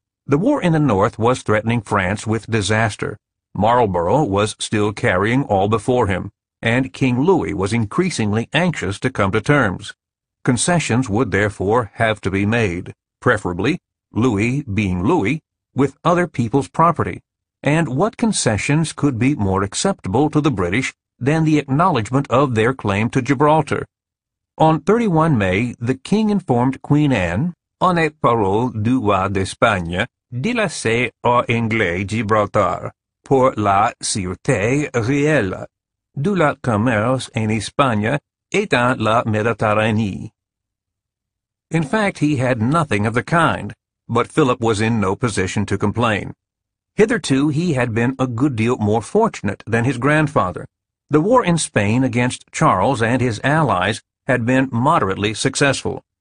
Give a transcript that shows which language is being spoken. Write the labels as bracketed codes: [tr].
[en] The war in the north was threatening France with disaster. Marlborough was still carrying all before him, and King Louis was increasingly anxious to come to terms. Concessions would therefore have to be made, preferably, Louis being Louis, with other people's property. And what concessions could be more acceptable to the British than the acknowledgement of their claim to Gibraltar? On 31 May, the king informed Queen Anne, [fr] on est parole du roi d'Espagne, de laisser au anglais Gibraltar, pour la sûreté réelle, de la commerce en Espagne et dans la Méditerranée. [en] In fact, he had nothing of the kind, but Philip was in no position to complain. Hitherto, he had been a good deal more fortunate than his grandfather. The war in Spain against Charles and his allies had been moderately successful,